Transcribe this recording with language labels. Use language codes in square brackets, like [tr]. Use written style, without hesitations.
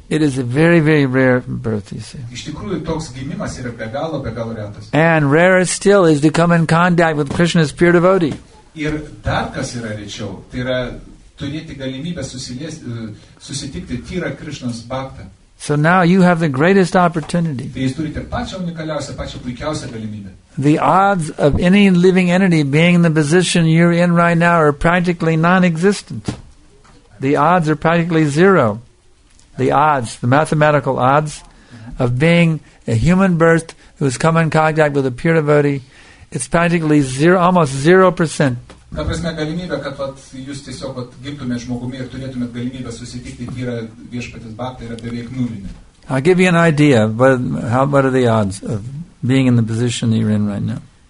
[en] It is a very, very rare birth, you see. [lt] Iš tikrųjų, toks gimimas yra be galo retas. [en] And rarer still is to come in contact with Krishna's pure devotee. [lt] Ir dar kas yra rečiau, tai yra turėti galimybę susitikti tyra Krishna's bhakta. [en] So now you have the greatest opportunity. [lt] Tai jūs turite pačią unikaliausią, pačią puikiausią galimybę. [en] The odds of any living entity being in the position you're in right now are practically non-existent. The odds are practically zero. The odds, the mathematical odds of being a human birth who's come in contact with a pure devotee, it's practically zero, almost 0%. [lt] Ta prasme, galimybė, kad vat, jūs tiesiog vat, gimtumėt žmogumi ir turėtumėt galimybę susitikti tyra viešpatės bakta yra beveik nulinė. [en] I'll give you an idea, but how are the odds of being in the position that you're in right now.